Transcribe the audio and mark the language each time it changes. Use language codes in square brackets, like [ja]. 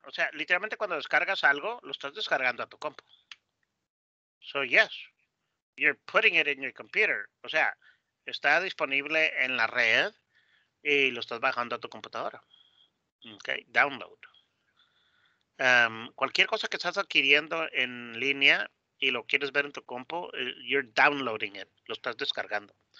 [es] O sea, literalmente cuando descargas algo, lo estás descargando a tu compu. [en] So yes, you're putting it in your computer. [es] O sea, está disponible en la red y lo estás bajando a tu computadora. Okay, download. Cualquier cosa que estás adquiriendo en línea y lo quieres ver en tu compu, [en] you're downloading it, [es] lo estás descargando.